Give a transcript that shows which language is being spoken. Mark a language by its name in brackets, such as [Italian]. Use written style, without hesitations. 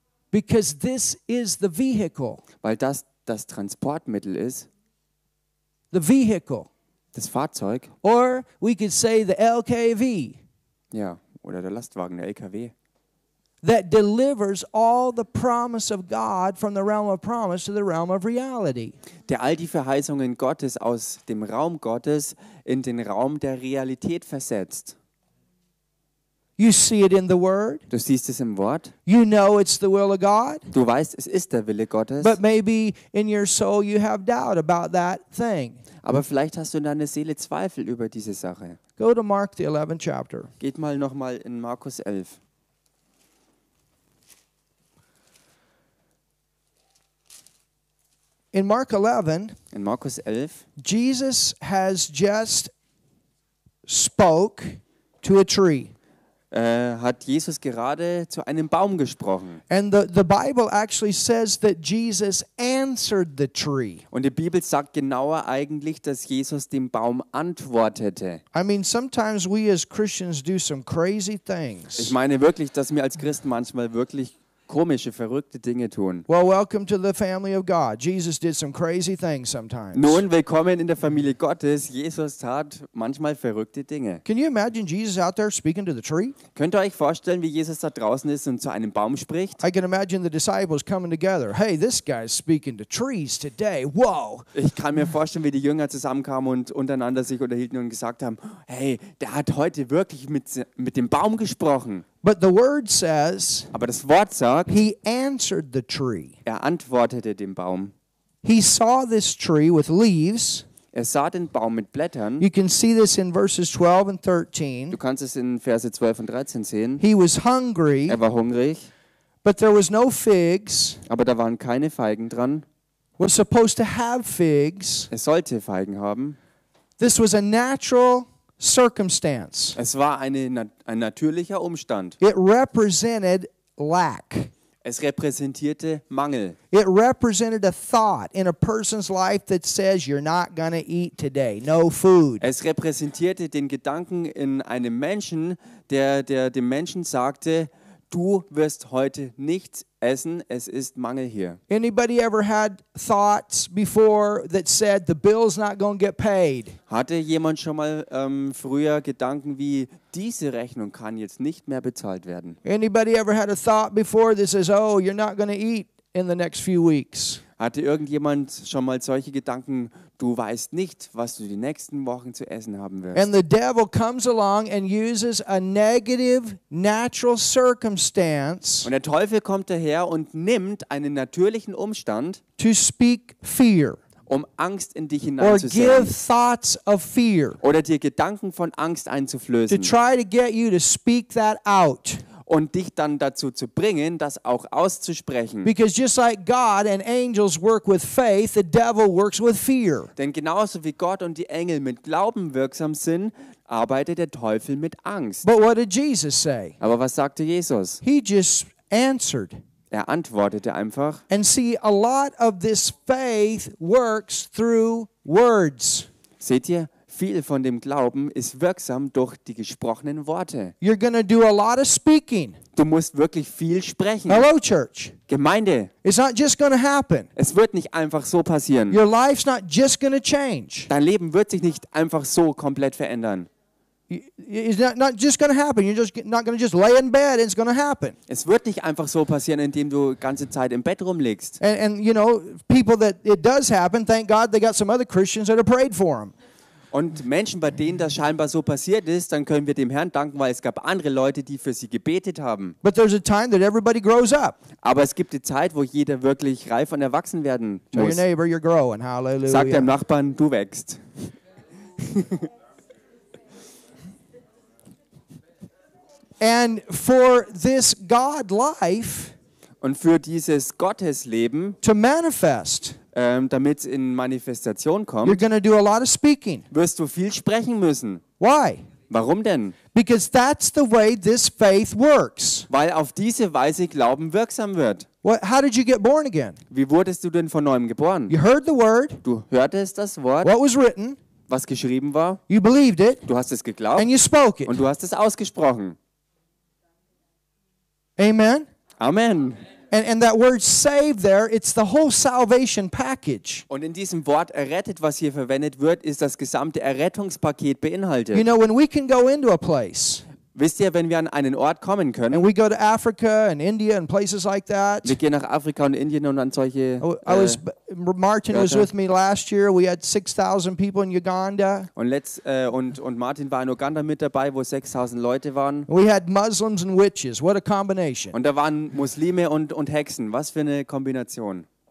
[English] Because this is the vehicle. [German] Weil das Transportmittel ist. [English] The vehicle. [German] Das Fahrzeug. [English] Or we could say the LKV. [German] Ja, oder der Lastwagen, der LKW. [English] That delivers all the promise of God from the realm of promise to the realm of reality. [German] Der all die Verheißungen Gottes aus dem Raum Gottes in den Raum der Realität versetzt. [English] You see it in the word. [German] Du siehst es im Wort. [English] You know it's the will of God. [German] Du weißt, es ist der Wille Gottes. [English] But maybe in your soul you have doubt about that thing. [German] Aber vielleicht hast du in deiner Seele Zweifel über diese Sache. [English] Go to Mark the 11th chapter. [German] Geht mal noch mal in Markus 11. [English] In Mark 11, [German] in Markus 11, [English] Jesus has just spoke to a tree. [German] Hat Jesus gerade zu einem Baum gesprochen. [English] And the Bible actually says that Jesus answered the tree. [German] Und die Bibel sagt genauer eigentlich, dass Jesus dem Baum antwortete. [English] I mean, sometimes we as Christians do some crazy things. [German] Ich meine wirklich, dass wir als Christen manchmal wirklich komische, verrückte Dinge tun. [English] Well, welcome to the family of God. Jesus did some crazy things sometimes. [German] Nun, willkommen in der Familie Gottes. Jesus tat manchmal verrückte Dinge. [English] Can you imagine Jesus out there speaking to the tree? [German] Könnt ihr euch vorstellen, wie Jesus da draußen ist und zu einem Baum spricht? [English] I can imagine the disciples coming together. Hey, this guy's speaking to trees today. Whoa! [German] Ich kann mir vorstellen, wie die Jünger zusammenkamen und untereinander sich unterhielten und gesagt haben, hey, der hat heute wirklich mit dem Baum gesprochen. [English] But the word says, [German] aber das Wort sagt, [English] he answered the tree. [German] Er antwortete dem Baum. [English] He saw this tree with leaves. [German] Er sah den Baum mit Blättern. [English] You can see this in verses 12 and 13. [German] Du kannst es in Verse 12 und 13 sehen. [English] He was hungry. [German] Er war hungrig. [English] But there was no figs. [German] Aber da waren keine Feigen dran. [English] Was supposed to have figs. [German] Er sollte Feigen haben. [English] This was a natural circumstance. [German] Es war ein natürlicher Umstand. [English] It represented lack. [German] Es repräsentierte Mangel. [English] It represented a thought in a person's life that says you're not gonna eat today, no food. [German] Es repräsentierte den Gedanken in einem Menschen, der dem Menschen sagte, du wirst heute nichts essen, es ist Mangel hier. [English] Anybody ever had thoughts before that said the bill's not gonna get paid? [German] Hatte jemand schon mal früher Gedanken wie diese Rechnung kann jetzt nicht mehr bezahlt werden? [English] Anybody ever had a thought before that says, oh, you're not gonna eat in the next few weeks? [German] Hatte irgendjemand schon mal solche Gedanken, du weißt nicht, was du die nächsten Wochen zu essen haben wirst? [English] And the devil comes along and uses a negative natural circumstance. [German] Und der Teufel kommt daher und nimmt einen natürlichen Umstand, [English] to speak fear, [German] um Angst in dich hineinzusetzen. [English] Or give thoughts of fear, [German] oder dir Gedanken von Angst einzuflößen. [English] To try to get you to speak that out. [German] Und dich dann dazu zu bringen, das auch auszusprechen. [English] Because just like God and angels work with faith, the devil works with fear. [German] Denn genauso wie Gott und die Engel mit Glauben wirksam sind, arbeitet der Teufel mit Angst. [English] But what did Jesus say? [German] Aber was sagte Jesus? [English] He just answered. [German] Er antwortete einfach. [English] And see, a lot of this faith works through words. [German] Seht ihr? Viel von dem Glauben ist wirksam durch die gesprochenen Worte. [English] You're gonna do a lot of speaking. [German] Du musst wirklich viel sprechen. [English] Hello, Church. [German] Gemeinde. [English] It's not just gonna happen. [German] Es wird nicht einfach so passieren. [English] Your life's not just gonna change. [German] Dein Leben wird sich nicht einfach so komplett verändern. [English] It's not just gonna happen. You're just not gonna just lay in bed and it's gonna happen. [German] Es wird nicht einfach so passieren, indem du ganze Zeit im Bett rumliegst. [English] And you know, people that it does happen, thank God they got some other Christians that have prayed for them. [German] Und Menschen, bei denen das scheinbar so passiert ist, dann können wir dem Herrn danken, weil es gab andere Leute, die für sie gebetet haben. [English] But there's a time that everybody grows up. [German] Aber es gibt die Zeit, wo jeder wirklich reif und erwachsen werden muss. [English] Tell your neighbor, you're growing. [German] Hallelujah. Sag deinem Nachbarn, du wächst. [English] And for this God life, [German] und für dieses Gottesleben [English] to manifest, [German] damit es in Manifestation kommt, [English] you're gonna do a lot of speaking. [German] Wirst du viel sprechen müssen. [English] Why? [German] Warum denn? [English] Because that's the way this faith works. [German] Weil auf diese Weise Glauben wirksam wird. [English] What, how did you get born again? [German] Wie wurdest du denn von neuem geboren? [English] You heard the word. [German] Du hörtest das Wort. [English] What was written? [German] Was geschrieben war. [English] You believed it. [German] Du hast es geglaubt. [English] And you spoke it. [German] Und du hast es ausgesprochen. [English] Amen. [German] Amen. [English] And that word saved there, it's the whole salvation package. [German] Und in diesem Wort errettet, was hier verwendet wird, ist das gesamte Errettungspaket beinhaltet. [English] You know, when we can go into a place, [German] wisst ihr, wenn wir an einen Ort kommen können, [English] and we go to Africa and India and places like that, [German] wir gehen nach Afrika und Indien und an solche [English] Martin was with me last year, we had 6,000 people in Uganda, [German] und Martin war in Uganda mit dabei, wo 6,000 Leute waren, [English] we had Muslims and witches, what a combination, [German] und da waren Muslime und Hexen, was für eine Kombination,